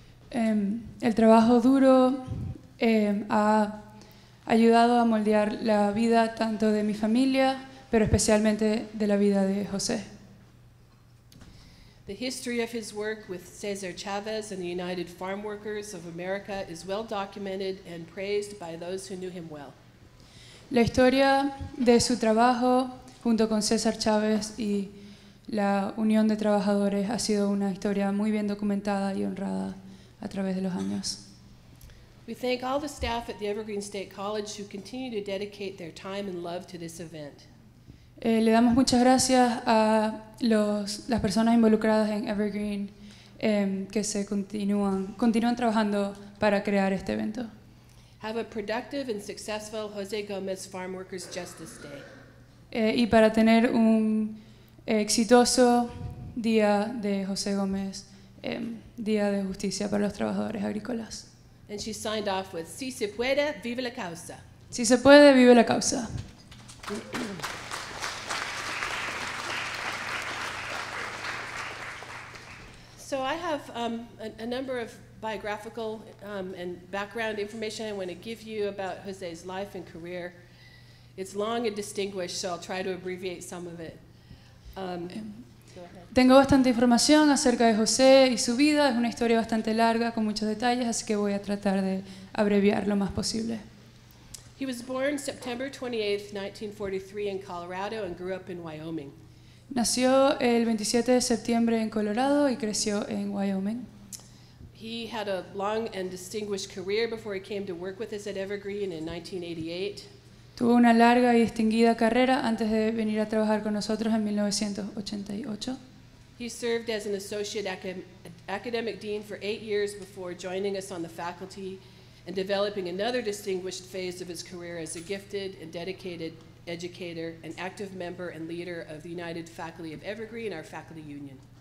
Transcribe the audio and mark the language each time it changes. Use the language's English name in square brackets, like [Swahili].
[Spanish] El trabajo duro ha ayudado a moldear la vida tanto de mi familia, pero especialmente de la vida de José. [English] The history of his work with Cesar Chavez and the United Farm Workers of America is well documented and praised by those who knew him well. [Spanish] La historia de su trabajo junto con César Chávez y la Unión de Trabajadores ha sido una historia muy bien documentada y honrada a través de los años. [English] We thank all the staff at the Evergreen State College who continue to dedicate their time and love to this event. [Spanish] Le damos muchas gracias a las personas involucradas en Evergreen que se continúan trabajando para crear este evento. [English] Have a productive and successful José Gómez Farmworkers Justice Day. [Spanish] Y para tener un exitoso día de José Gómez, día de justicia para los trabajadores agrícolas. [English] And she signed off with, [Spanish] si se puede, vive la causa. Si se puede, vive la causa. [English] So I have a number of biographical and background information I want to give you about José's life and career. It's long and distinguished, so I'll try to abbreviate some of it. [Spanish] Tengo bastante información acerca de José y su vida. Es una historia bastante larga con muchos detalles, así que voy a tratar de abreviar lo más posible. [English] He was born September 28, 1943 in Colorado and grew up in Wyoming. [Spanish] Nació el 27 de septiembre en Colorado y creció en Wyoming. [English] He had a long and distinguished career before he came to work with us at Evergreen in 1988. [Spanish] Tuvo una larga y distinguida carrera antes de venir a trabajar con nosotros en 1988. [English] He served as an associate academic dean for 8 years before joining us on the faculty and developing another distinguished phase of his career as a gifted and dedicated educator, an active member and leader of the United Faculty of Evergreen, our faculty union.